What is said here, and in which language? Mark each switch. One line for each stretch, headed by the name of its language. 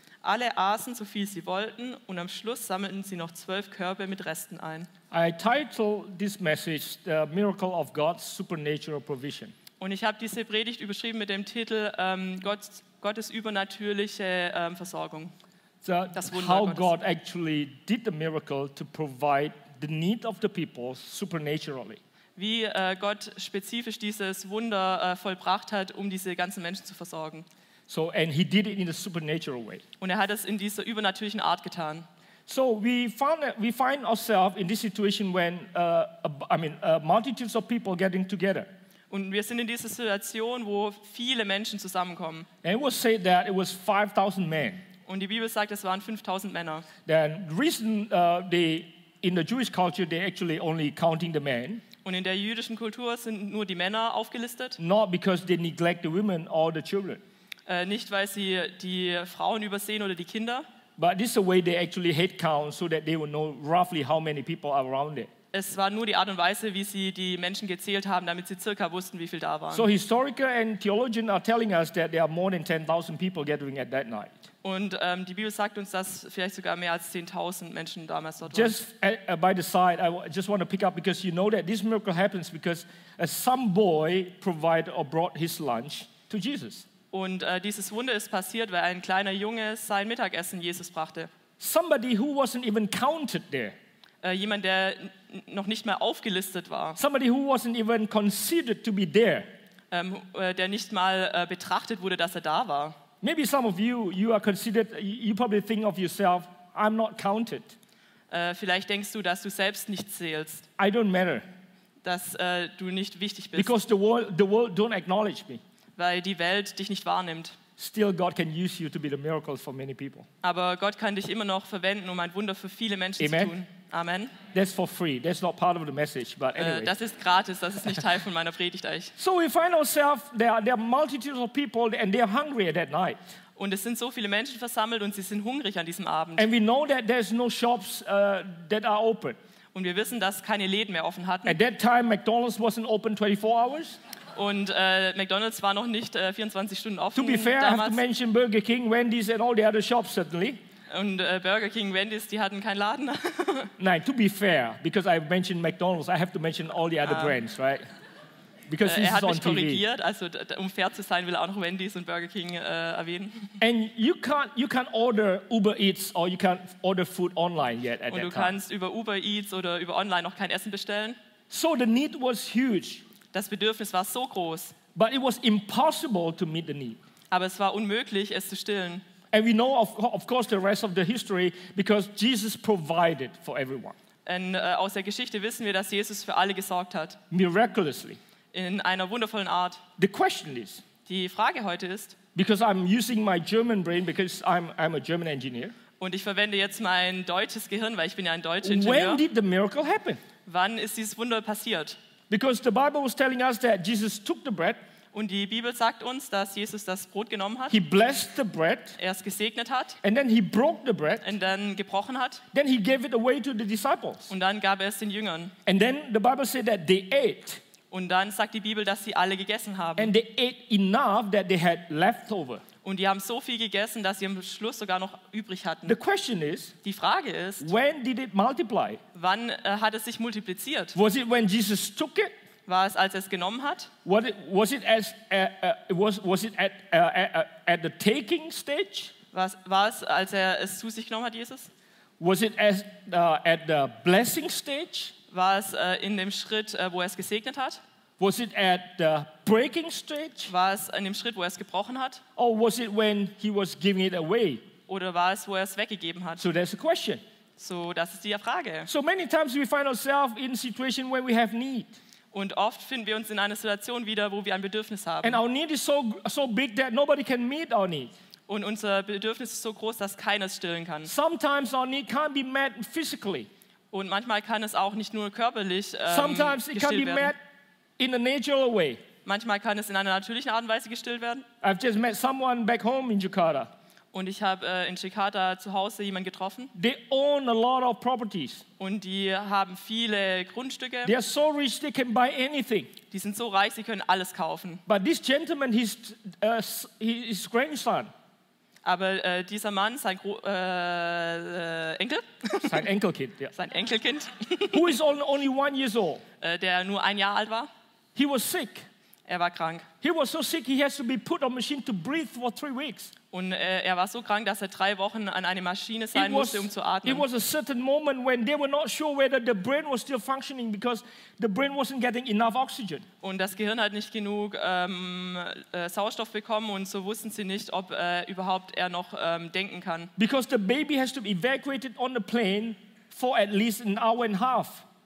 German: Alle aßen so viel sie wollten und am Schluss sammelten sie noch 12 Körbe mit Resten ein.
English: I title this message The Miracle of God's Supernatural Provision.
German: Und ich habe diese Predigt überschrieben mit dem Titel Gottes übernatürliche Versorgung. So das Wunder
English: how
German: Gottes.
English: God actually did the miracle to provide the need of the people supernaturally.
German: Wie Gott spezifisch dieses Wunder vollbracht hat, um diese ganzen Menschen zu versorgen.
English: So and he did it in a supernatural way.
German: Und hat es in dieser übernatürlichen Art getan.
English: So we find ourselves in this situation when multitudes of people getting together.
German: Und wir sind in dieser Situation, wo viele Menschen zusammenkommen.
English: And it was said that it was 5,000 men.
German: Und die Bibel sagt, es waren 5,000 Männer.
English: Then the reason they in the Jewish culture they actually only counting the men.
German: Und in der jüdischen Kultur sind nur die Männer aufgelistet.
English: Not because they neglect the women or the children.
German: Nicht weil sie die Frauen übersehen oder die Kinder.
English: But this is the way they actually head count so that they will know roughly how many people are around it.
German: Es war nur die Art und Weise, wie sie die Menschen gezählt haben, damit sie circa wussten, wie viel da waren.
English: So historical and theologians are telling us that there are more than 10,000 people gathering at that night.
German: Und die Bibel sagt uns, dass vielleicht sogar mehr als 10,000 Menschen damals dort waren.
English: Just by the side, I just want to pick up because you know that this miracle happens because some boy provided or brought his lunch to Jesus.
German: Und dieses Wunder ist passiert, weil ein kleiner Junge sein Mittagessen Jesus brachte.
English: Somebody who wasn't even counted there.
German: Jemand, der noch nicht mal aufgelistet war.
English: Somebody who wasn't even considered to be there.
German: Der nicht mal betrachtet wurde, dass er da war.
English: Maybe some of you are considered, you probably think of yourself, I'm not counted.
German: Vielleicht denkst du, dass du selbst nicht zählst.
English: I don't matter.
German: Dass du nicht wichtig bist.
English: Because the world don't acknowledge me.
German: Weil die Welt dich nicht wahrnimmt.
English: Still God can use you to be the miracle for many people.
German: Aber Gott kann dich immer noch verwenden, um ein Wunder für viele Menschen
English: Amen.
German: Zu tun. Amen.
English: That's for free. That's not part of the message, but anyway.
German: Das ist gratis, das ist nicht Teil von meiner Predigt eigentlich.
English: So we find ourselves there are multitudes of people and they're hungry at that night.
German: Und es sind so viele Menschen versammelt und sie sind hungrig an diesem Abend.
English: And we know that there's no shops that are open.
German: Und wir wissen, dass keine Läden mehr offen hatten.
English: At that time McDonald's wasn't open 24 hours.
German: Und McDonald's war noch nicht 24 Stunden offen.
English: To be fair, I have to mention Burger King, Wendy's and all the other shops certainly.
German: Und Burger King, Wendy's, die hatten keinen Laden. Nein,
English: to be fair, because I mentioned McDonald's, I have to mention all the other brands, right? Because this is on TV.
German: Er hat mich korrigiert, also um fair zu sein, will er auch noch Wendy's und Burger King erwähnen.
English: And you can't order Uber Eats or you can't order food online yet at that time.
German: Und du kannst über Uber Eats oder über online noch kein Essen bestellen.
English: So the need was huge.
German: Das Bedürfnis war so groß.
English: But it was impossible to meet the need.
German: Aber es war unmöglich, es zu stillen.
English: And we know of course the rest of the history because Jesus provided for everyone.
German: Und aus der Geschichte wissen wir, dass Jesus für alle gesorgt hat.
English: Miraculously.
German: In einer wundervollen Art.
English: The question is.
German: Die Frage heute ist.
English: Because I'm using my German brain because I'm a German engineer.
German: Und ich verwende jetzt mein deutsches Gehirn, weil ich bin ja ein deutscher Ingenieur.
English: When did the miracle happen?
German: Wann ist dieses Wunder passiert?
English: Because the Bible was telling us that Jesus took the bread.
German: Und die Bibel sagt uns, dass Jesus das Brot genommen hat.
English: He blessed the bread.
German: Er es gesegnet hat.
English: And then he broke the bread.
German: Und dann gebrochen hat.
English: Then he gave it away to the disciples.
German: Und dann gab er es den Jüngern.
English: And then the Bible said that they ate.
German: Und dann sagt die Bibel, dass sie alle gegessen haben.
English: And they ate enough that they had leftover.
German: Und die haben so viel gegessen, dass sie am Schluss sogar noch übrig hatten.
English: The question is,
German: die Frage ist,
English: when did it multiply?
German: Wann hat es sich multipliziert?
English: Was it when Jesus took it?
German: War es, als er es genommen hat?
English: Was it at the taking stage?
German: War es, als er es zu sich genommen hat, Jesus?
English: Was it as, at the blessing stage?
German: War es in dem Schritt, wo er es gesegnet hat?
English: Was it at the breaking stage?
German: War es in dem Schritt, wo er es gebrochen hat?
English: Or was it when he was giving it away?
German: Oder war es, wo er es weggegeben hat?
English: So that's the question.
German: So das ist die Frage.
English: So many times we find ourselves in situation where we have need.
German: Und oft finden wir uns in einer Situation wieder, wo wir ein Bedürfnis haben.
English: And our need is so big that nobody can meet our need.
German: Und unser Bedürfnis ist so groß, dass keiner es stillen kann.
English: Sometimes our need can't be met physically.
German: Und manchmal kann es auch nicht nur körperlich
English: sometimes it can be met in a natural way.
German: Manchmal kann es in einer natürlichen Art und Weise gestillt werden.
English: I've just met someone back home in Jakarta.
German: Und ich habe in Jakarta zu Hause jemanden getroffen.
English: They own a lot of properties.
German: Und die haben viele Grundstücke.
English: They are so rich they can buy anything.
German: Die sind so reich, sie können alles kaufen.
English: But this gentleman, his grandson.
German: Aber dieser Mann, sein Enkel? Sein Enkelkind, ja. Sein Enkelkind.
English: Who is only 1 year old?
German: Der nur ein Jahr alt war.
English: He was sick.
German: Er war krank.
English: He was so sick he has to be put on a machine to breathe for 3 weeks.
German: Und er war so krank, dass er 3 Wochen an eine Maschine sein musste, um zu atmen.
English: It was a certain moment when they were not sure whether the brain was still functioning because the brain wasn't getting enough oxygen.
German: Und das Gehirn hat nicht genug Sauerstoff bekommen und so wussten sie nicht, ob überhaupt er noch denken kann.
English: Because the baby has to be evacuated on the plane for at least an hour and a half.